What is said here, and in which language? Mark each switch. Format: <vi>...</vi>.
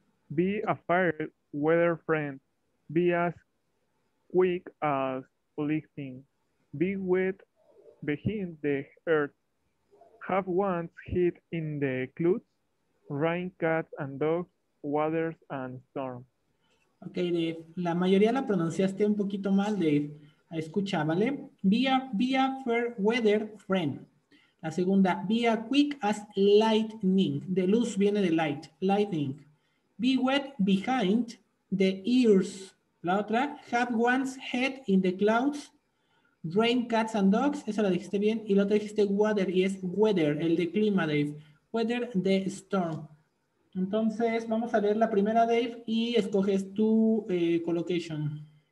<en>Be a fire weather friend. Be as quick as lifting. Be with... Behind the earth, have once hit in the clouds, rain, cats and dogs, waters and storm.</en> <es>Ok, Dave, la mayoría la pronunciaste un poquito mal, Dave. Escucha, ¿vale? Be a fair weather friend. La segunda, be a quick as lightning. De luz viene de light, lightning.</es> <en>Be wet behind the ears.</en> <es>La otra, have once hit in the clouds. Rain, cats and dogs, eso lo dijiste bien. Y lo otro dijiste weather, y es weather, el de clima, Dave. Weather, the storm. Entonces, vamos a leer la primera, Dave, y escoges tu collocation.</es>